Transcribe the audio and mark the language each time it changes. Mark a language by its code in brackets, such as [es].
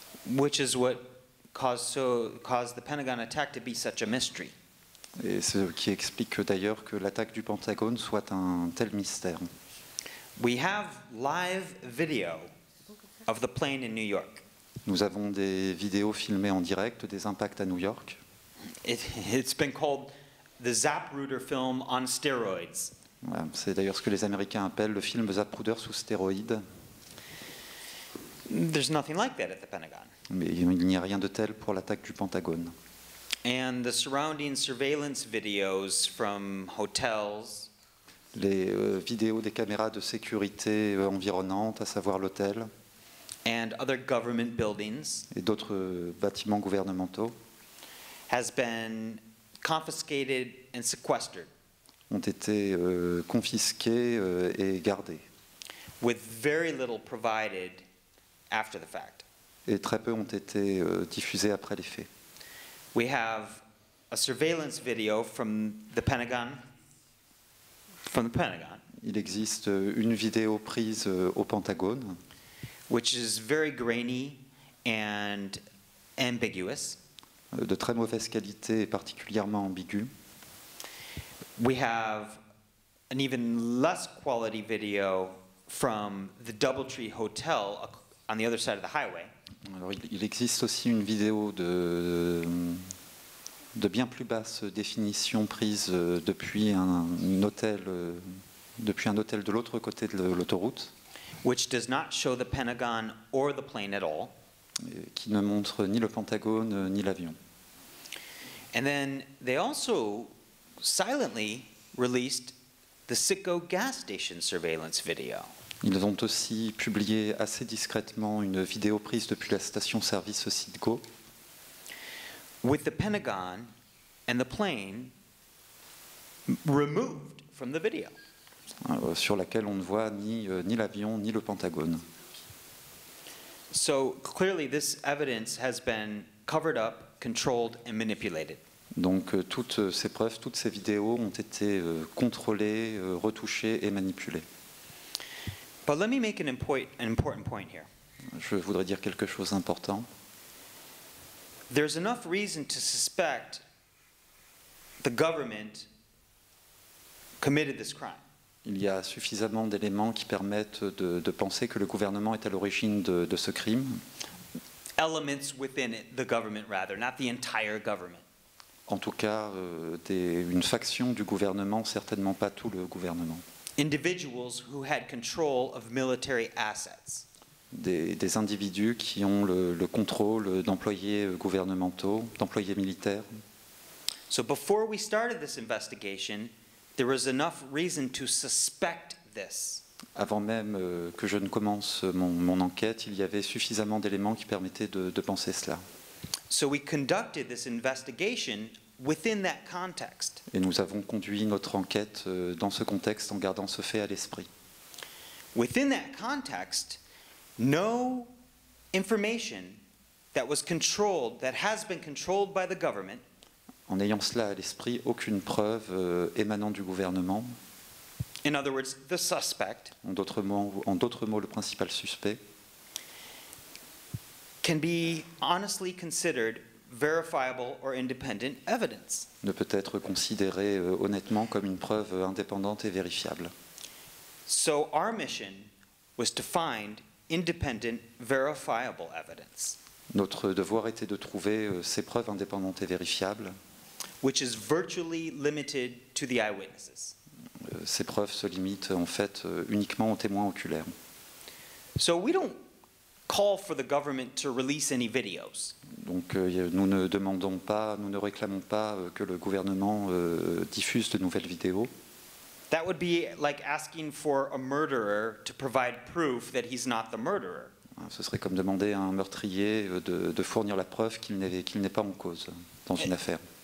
[en] Which is what caused the Pentagon attack to be such a mystery. [fr] Et ce qui explique d'ailleurs que l'attaque du Pentagone soit un tel mystère. [en] We have live video of the plane in New York. [fr] Nous avons des vidéos filmées en direct des impacts à New York. [en] It's been called the Zapruder film on steroids. [fr] Ouais, c'est d'ailleurs ce que les Américains appellent le film Zapruder sous stéroïdes. [en] There's nothing like that at the Pentagon. [fr] Mais il n'y a rien de tel pour l'attaque du Pentagone. [en] And the surrounding surveillance videos from hotels. [fr] Les vidéos des caméras de sécurité environnantes, à savoir l'hôtel. [en] And other government buildings. [fr] Et d'autres bâtiments gouvernementaux. [en] Has been confiscated and sequestered. [fr] Ont été confisqués et gardés. [en] With very little provided after the fact. [fr] Et très peu ont été diffusés après les faits. [en] We have a surveillance video from the Pentagon. From the Pentagon. [fr] Il existe une vidéo prise au Pentagone. [en] Which is very grainy and ambiguous. [fr] De très mauvaise qualité et particulièrement ambigu. [en] We have an even less quality video from the DoubleTree Hotel on the other side of the highway. [fr] Alors, il existe aussi une vidéo de bien plus basse définition prise depuis un hôtel de l'autre côté de l'autoroute. [en] Which does not show the Pentagon or the plane at all. [fr] Qui ne montre ni le Pentagone ni l'avion. [en] And then they also silently released the Sitco gas station surveillance video. [fr] Ils ont aussi publié assez discrètement une vidéo prise depuis la station service Sitco. [en] With the Pentagon and the plane removed from the video. [fr] Sur laquelle on ne voit ni l'avion ni le Pentagone. [en] So clearly this evidence has been covered up, controlled and manipulated. [fr] Donc toutes ces preuves, toutes ces vidéos ont été contrôlées, retouchées et manipulées. [en] But let me make an important point here. [fr] Je voudrais dire quelque chose d'important. [en] There's enough reason to suspect the government committed this crime. [fr] Il y a suffisamment d'éléments qui permettent de penser que le gouvernement est à l'origine de ce crime. [en] elements within it, the government rather, not the entire government. [fr] En tout cas, une faction du gouvernement, certainement pas tout le gouvernement. [en] Individuals who had control of military assets. [fr] Des individus qui ont le contrôle d'employés gouvernementaux, d'employés militaires. [en] So before we started this investigation, there was enough reason to suspect this. [fr] Avant même que je ne commence mon enquête, il y avait suffisamment d'éléments qui permettaient de penser cela. [en] So we conducted this investigation within that context. [fr] Et nous avons conduit notre enquête dans ce contexte en gardant ce fait à l'esprit. [en] Within that context, no information that was controlled, that has been controlled by the government. [fr] En ayant cela à l'esprit, aucune preuve émanant du gouvernement. [en] In other words, the suspect. [fr] En d'autres mots, le principal suspect. [en] Can be honestly considered verifiable or independent evidence. [fr] Ne peut être considéré honnêtement comme une preuve indépendante et vérifiable. [en] So our mission was to find independent, verifiable evidence. [fr] Notre devoir était de trouver ces preuves indépendantes et vérifiables. [en] Which is virtually limited to the eyewitnesses. [fr] Ces preuves se limitent en fait uniquement aux témoins oculaires. [en] So we don't call for the government to release any videos. [fr] Donc nous ne demandons pas, nous ne réclamons pas que le gouvernement diffuse de nouvelles vidéos. [en] That would be like asking for a murderer to provide proof that he's not the murderer. [fr] Ce serait comme demander à un meurtrier de fournir la preuve qu'il n'est pas en cause dans une affaire.